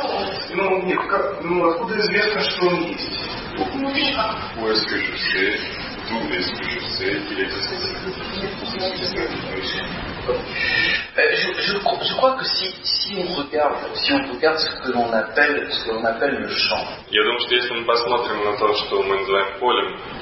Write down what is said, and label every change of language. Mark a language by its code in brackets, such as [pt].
[ru] Откуда известно, что он есть? Ну, поиск ищущий, дух ищущий, телесность. [fr] Je crois que si on regarde ce que l'on appelle le champ. [ru] Я думаю, что если мы посмотрим на то, что мы называем полем.